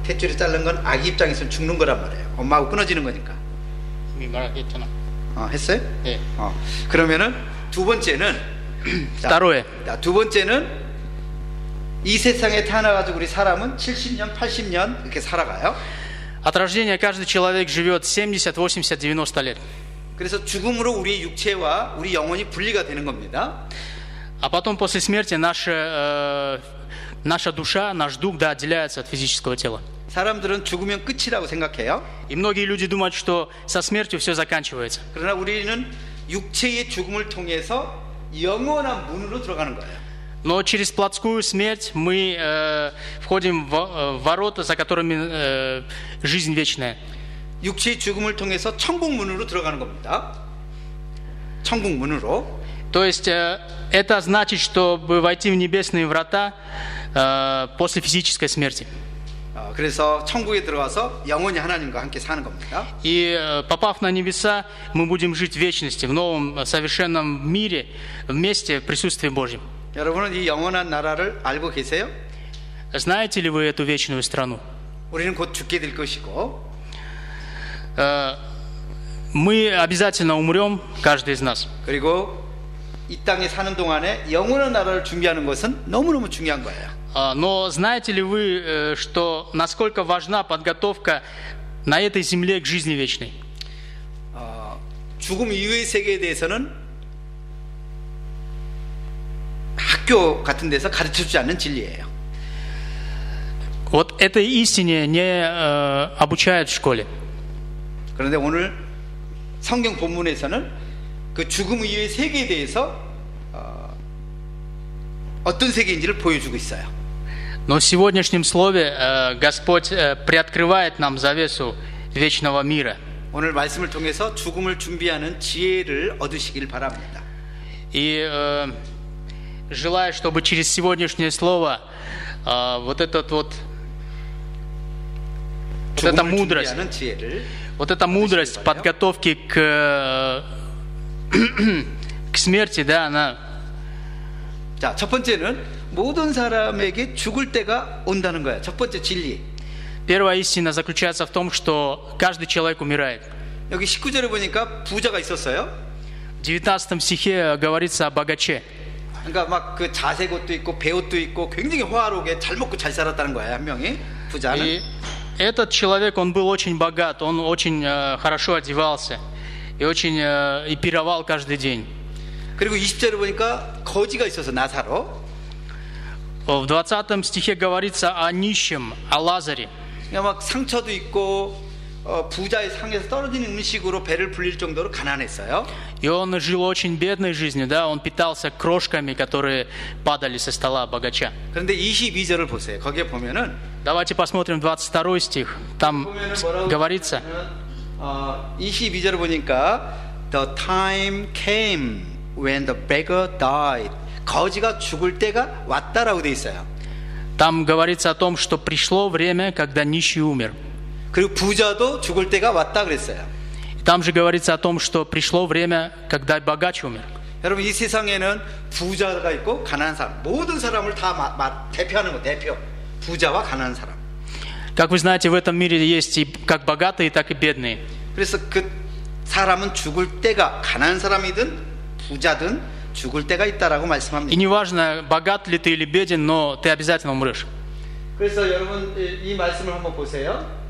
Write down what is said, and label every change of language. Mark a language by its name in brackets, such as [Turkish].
[Korean] 탯줄이 자른 건 아기 입장에서는 죽는 거란 말이에요. 엄마하고 끊어지는 거니까. 이미 말했잖아. 했어요? 예. 네. 그러면은 두 번째는 따로 해. 두 번째는 이 세상에 태어나 가지고 우리 사람은 70년, 80년 이렇게 살아가요. [Russian] От рождения каждый человек живёт 70, 80, 90 лет. [Korean] 그래서 죽음으로 우리 육체와 우리 영혼이 분리가 되는 겁니다. [Russian] А потом после смерти наша душа, наш дух, да, отделяется от физического тела. [Korean] 사람들은 죽으면 끝이라고 생각해요. [Russian] И многие люди думают, что со смертью всё заканчивается. [Korean] 그러나 우리는 육체의 죽음을 통해서 영원한 문으로 들어가는 거예요. [Russian] Но через плотскую смерть мы входим в ворота, за которыми жизнь вечная. [Korean] 육체의 죽음을 통해서 천국 문으로 들어가는 겁니다. 천국 문으로. [Russian] То есть это значит, чтобы войти в небесные врата после физической смерти. [Korean] 그래서 천국에 들어가서 영원히 하나님과 함께 사는 겁니다. [Russian] И попав на небеса, мы будем жить в вечности, в новом совершенном мире, вместе в присутствии Божьем. [Korean] 여러분은 이 영원한 나라를 알고 계세요? [Russian] Знаете ли вы эту вечную страну? [Korean] 우리는 곧 죽게 될 것이고. [Russian] Мы обязательно умрём, каждый из нас. [Korean] 그리고 이 땅에 사는 동안에 영원한 나라를 준비하는 것은 너무너무 중요한 거예요. [Russian] Но знаете ли вы, что насколько важна подготовка на этой земле к жизни вечной? [Korean] 죽음 이후의 세계에 대해서는 학교 같은 데서 가르쳐주지 않는 진리예요. [Russian] Вот этой истине не обучают в школе. [Korean] 그런데 오늘 성경 본문에서는 그 죽음 이후의 세계에 대해서 어떤 세계인지를 보여주고 있어요. [Russian] Но в сегодняшнем слове Господь приоткрывает нам завесу вечного мира. [Korean] 오늘 말씀을 통해서 죽음을 준비하는 지혜를 얻으시길 바랍니다. [Russian] И желаю, чтобы через сегодняшнее слово вот этот вот вот эта мудрость, вот эта мудрость подготовки к к смерти, да, она. [Korean] 자, 첫 번째는 모든 사람에게 죽을 때가 온다는 거야. 첫 번째 진리. [Russian] Первая истина заключается в том, что каждый человек умирает. [Korean] 여기 19절에 보니까 부자가 있었어요. [Russian] 19 стихе говорится о богаче. [Korean] 그러니까 막 그 자색 옷도 있고 배옷도 있고 굉장히 호화롭게 잘 먹고 잘 살았다는 거예요. 한 명이 부자는. И [Russian] этот человек он был очень богат, он очень хорошо одевался и очень и пировал каждый день. [Korean] 그리고 20절을 보니까 거지가 있어서 나사로. [Russian] В 20 стихе говорится о нищем, о Лазаре. [Korean] 막 상처도 있고 부자의 상에서 떨어지는 음식으로 배를 불릴 정도로 가난했어요. [Russian] И он жил очень бедной жизнью, да? Он питался крошками, которые падали со стола богача. [Korean] 그런데 22절을 보세요. 거기에 보면은 [Russian] Давайте посмотрим 22 стих. Там говорится. [Korean] 22절 보니까 [English] The time came when the beggar died. [Korean] 거지가 죽을 때가 왔다라고 돼 있어요. [Russian] Там говорится о том, что пришло время, когда нищий умер. [Korean] 그리고 부자도 죽을 때가 왔다 그랬어요. [Russian] Там же говорится о том, что пришло время, когда богач умер. [Korean] 여러분, 이 세상에는 부자가 있고 가난한 사람, 모든 사람을 다 대표하는 거 대표. 부자와 가난한 사람. [Russian] Как вы знаете, в этом мире есть и как богатые, так и бедные. [Korean] 그래서 그 사람은 죽을 때가 가난한 사람이든 부자든 죽을 때가 있다라고 말씀합니다. [Russian] И неважно, богат ли ты или беден, но ты обязательно умрёшь. [Korean] 그래서 여러분, 이 말씀을 한번 보세요.